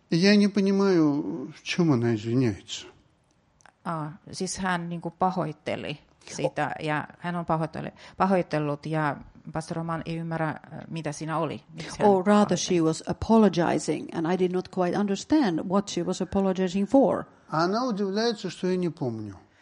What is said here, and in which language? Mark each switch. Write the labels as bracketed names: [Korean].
[Russian] Я не понимаю, в чем она извиняется. [Finnish] Siis hän niinku pahoitteli siitä, ja hän on pahoitellut, ja Pastor Roman ei ymmärrä, mitä siinä oli. [English] Or rather she was apologizing, and I did not quite understand what she was apologizing for. [Russian] Она удивляется, что я не помню.